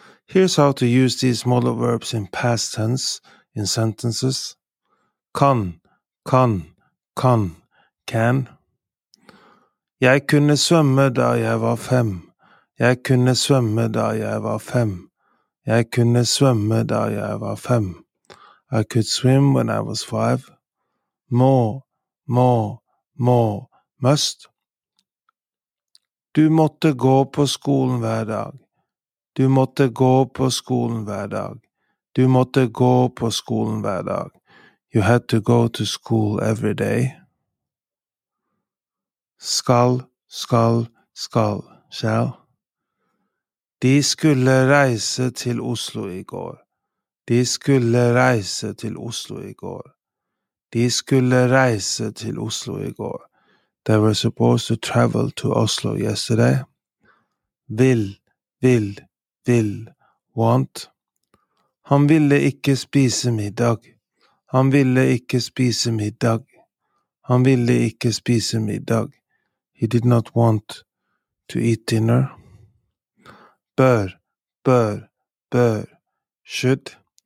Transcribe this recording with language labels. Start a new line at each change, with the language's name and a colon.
English: Here's how to use these modal verbs in past tense in sentences.
Danish: Kan, kan, kan, can. Jeg kunne svømme da jeg var fem. Jeg kunne svømme da jeg var fem. Jeg kunne svømme da jeg var fem.
English: I could swim when I was five.
Danish: Må, må, må, must. Du måtte gå på skolen hver dag. Du måtte gå på skolen hver dag. Du måtte gå på skolen hver dag.
English: You had to go to school every day.
Danish: Skal, skal, skal, shall. De skulle reise til Oslo i går. De skulle reise til Oslo i går. De skulle reise til Oslo i går.
English: They were supposed to travel to Oslo yesterday.
Danish: Vil, vil, vil, want. Han ville ikke spise middag. Han ville ikke spise middag. Han ville ikke spise middag.
English: He did not want to eat dinner.
Danish: Bør, bør, bør, should.